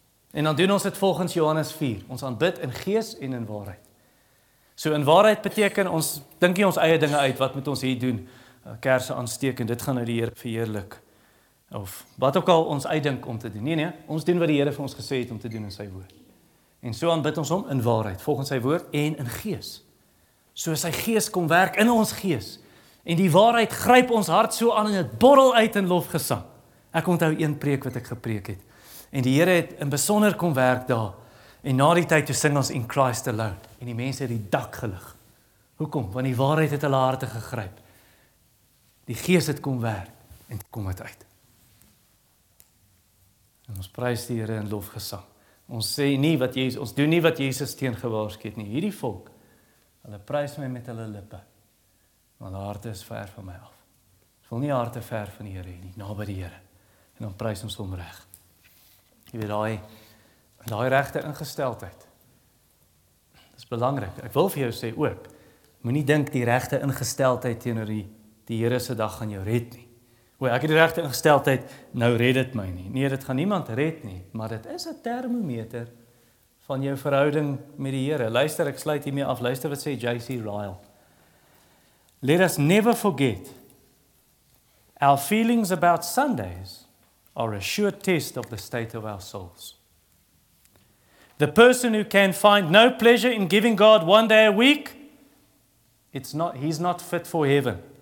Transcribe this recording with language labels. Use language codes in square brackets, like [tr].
[af] En dan doen ons dit volgens Johannes 4, ons aanbid in gees en in waarheid. So in waarheid beteken, ons dink nie ons eie dinge uit, wat moet ons hier doen, kersen aansteek, en dit gaan nou die Here verheerlik. of wat ook al ons uitdink om te doen. Nee, ons doen wat die Here vir ons gesê het om te doen in sy woord. En so aanbid ons hom in waarheid, volgens sy woord en in gees. So sy gees kom werk in ons gees. En die waarheid gryp ons hart so aan en het borrel uit in lofgesang. Ek onthou een preek wat ek gepreek het. En die Here het in besonder kom werk daar. En na die tyd toe sing ons In Christ Alone. En die mense het die dak gelig. Hoekom? Want die waarheid het hulle harte gegryp. Die gees het kom werk en kom het uit. En ons prys die Here in lofgesang. Ons sê nie wat Jesus, ons doen nie wat Jesus teengewaarsku het nie. Hierdie volk, hulle prys my met hulle lippe. Want hulle harte is ver van my af. Ek wil nie harte ver van die Here nie, na by die Here. En dan prys ons hom reg. Jy weet, daai regte ingesteldheid. Dis belangrik. Ek wil vir jou sê ook, moenie dink die regte ingesteldheid teenoor die Here se dag gaan jou red nie. O, ek het die regte ingesteldheid, nou red dit my nie. Nee, dit gaan niemand red nie, maar dit is 'n termometer van jou verhouding met die Here. Luister, ek sluit hiermee af. Luister wat sê J.C. Ryle. [en] Let us never forget our feelings about Sundays are a sure test of the state of our souls. The person who can find no pleasure in giving God one day a week, he's not fit for heaven.